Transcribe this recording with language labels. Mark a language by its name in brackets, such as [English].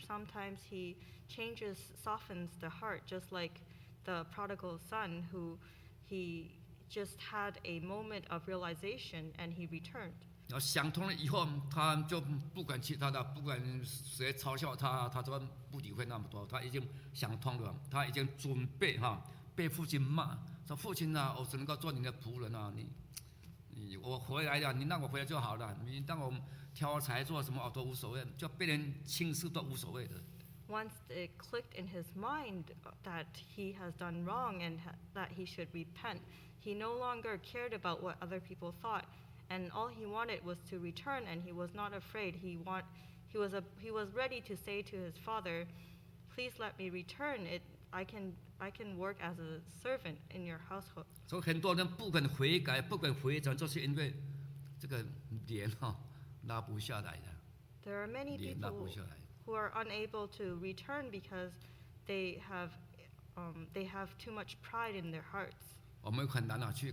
[English] Sometimes he changes, softens the heart, just like the prodigal son who he just had a moment of realization and he returned. [Chinese] 想通了以后，他就不管其他的，不管谁嘲笑他，他都不理会那么多。他已经想通了，他已经准备哈，被父亲骂，说父亲啊，我只能够做你的仆人啊，你我回来了，你让我回来就好了，你让我挑柴做什么都无所谓，就被人轻视都无所谓的。 [English] once it clicked in his mind that he has done wrong and that he should repent, he no longer cared about what other people thought, and all he wanted was to return, and he was not afraid. He was ready to say to his father, please let me return. I can work as a servant in your household. So [Chinese] 很多人不肯悔改，不肯回转，就是因为这个脸哈拉不下来的。 [English] There are many people who are unable to return because they have too much pride in their hearts.